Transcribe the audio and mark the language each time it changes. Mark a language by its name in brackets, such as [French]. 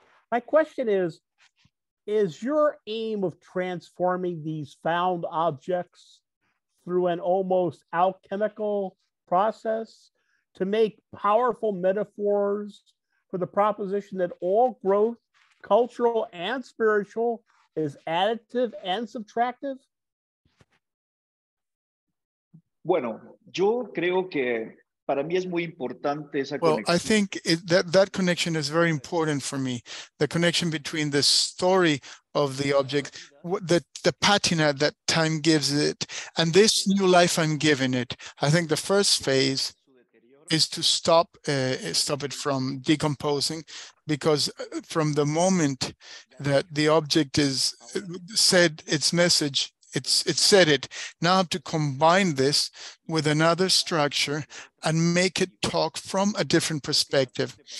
[English] My question is your aim of transforming these found objects through an almost alchemical process to make powerful metaphors for the proposition that all growth, cultural and spiritual, is additive and subtractive? [Spanish] Bueno, yo creo que para mí es muy importante esa conexión. [English] Well, I think that connection is very important for me. The connection between the story of the object, the patina that time gives it, and this new life I'm giving it. I think the first phase is to stop it from decomposing, because from the moment that the object is said its message, it said it, now I have to combine this with another structure and make it talk from a different perspective.